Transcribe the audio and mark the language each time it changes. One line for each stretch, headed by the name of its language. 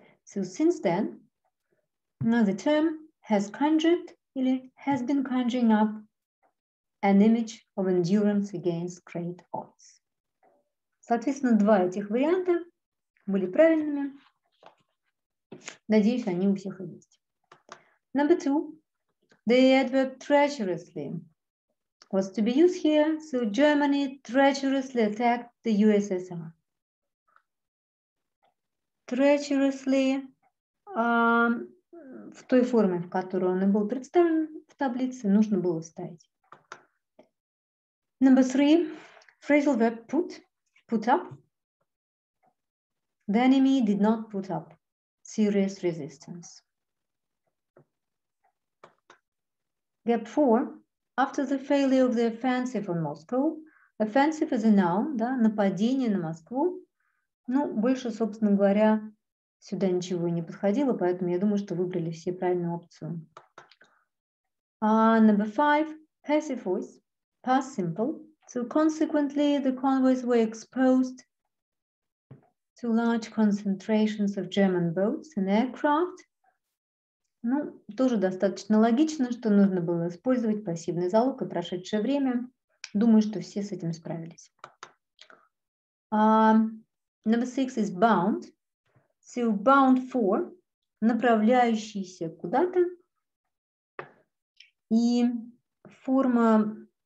English: So, since then, the term has conjured
Russian: или
English: has been conjuring up an image of endurance against great odds.
Russian: Соответственно, два этих варианта были правильными. Надеюсь, они у всех есть.
English: Number two, the adverb treacherously was to be used here, so Germany treacherously attacked the USSR.
Russian: Treacherously в той форме, в которой он и был представлен в таблице, нужно было ставить.
English: Number three, phrasal verb put up. The enemy did not put up serious resistance. Gap four. After the failure of the offensive on Moscow, offensive is a noun,
Russian: да, нападение на Москву. Ну, больше, собственно говоря, сюда ничего не подходило, поэтому я думаю, что выбрали все правильную опцию.
English: Number five, passive voice, past simple. So consequently, the convoys were exposed to large concentrations of German boats and aircraft.
Russian: Ну, тоже достаточно логично, что нужно было использовать пассивный залог и прошедшее время. Думаю, что все с этим справились.
English: Number six is bound. So bound for,
Russian: направляющийся куда-то. И форма